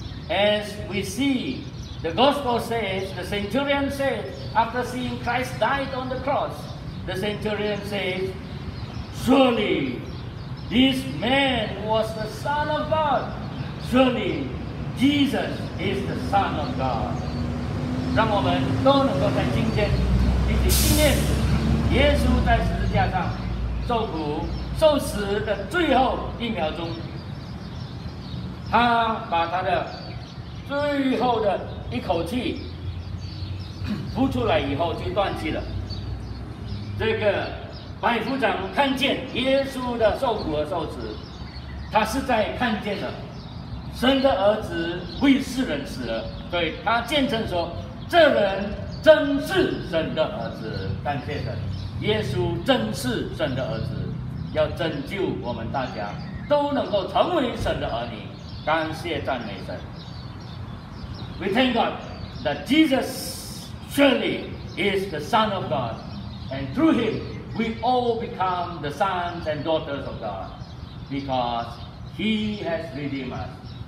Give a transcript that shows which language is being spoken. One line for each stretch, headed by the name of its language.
English: As we see, the gospel says, the centurion says, after seeing Christ died on the cross, the centurion says, surely,This man was the Son of God. Surely, Jesus is the Son of God.
Chinese: 让我们都能够在今天一起纪念耶稣在十字架上受苦、受死的最后一秒钟，他把他的最后的一口气呼出来以后就断气了。这个。百夫长看见耶稣的受苦和受死，他是在看见了神的儿子为世人死了，对他见证说，这人真是神的儿子。感谢神，耶稣真是神的儿子，要拯救我们大家都能够成为神的儿女。感谢赞美神。
English: We thank God that Jesus surely is the Son of God, and through HimWe all become the sons and daughters of God because He has redeemed us.